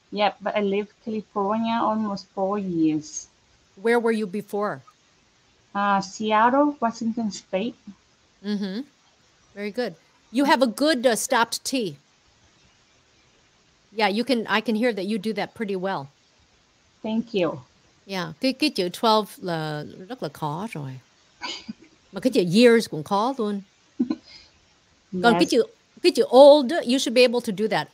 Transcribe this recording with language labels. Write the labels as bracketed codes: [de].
[en] Yeah, but I lived in California almost 4 years. Where were you before? Seattle, Washington State. Mm-hmm. Very good. You have a good stopped T. Yeah, you can. I can hear that you do that pretty well. Thank you. [vi] Yeah, cái chữ 12 là rất là khó rồi. Mà cái chữ years cũng khó luôn. [en] Yes. [vi] Còn cái chữ old, [en] you should be able to do that.